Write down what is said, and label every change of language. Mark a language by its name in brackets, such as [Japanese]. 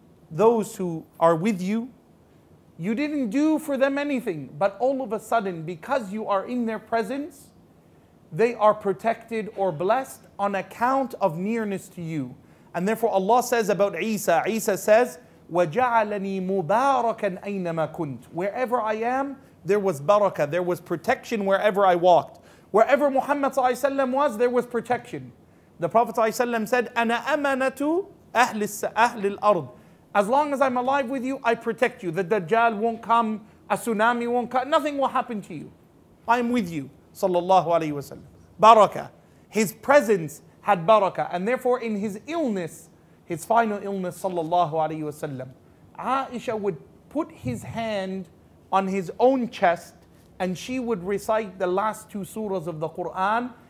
[English] Those who are with you, you didn't do for them anything, but all of a sudden, because you are in their presence, they are protected or blessed on account of nearness to you. And therefore Allah says about Isa, Isa says, [Arabic] وَجَعَلَنِي مُبَارَكًا أَيْنَمَا كُنْتُ. [English] Wherever I am, there was barakah, there was protection wherever I walked. Wherever Muhammad ﷺ was, there was protection. The Prophet ﷺ said, [Arabic] أَنَا أَمَنَةُ أَهْلِ الْأَرْضِ. [English] As long as I'm alive with you, I protect you. The Dajjal won't come, a tsunami won't come, nothing will happen to you. I'm with you, sallallahu alayhi wa sallam. Barakah. His presence had barakah. And therefore in his illness, his final illness, sallallahu alayhi wa sallam, Aisha would put his hand on his own chest and she would recite the last two surahs of the Quran.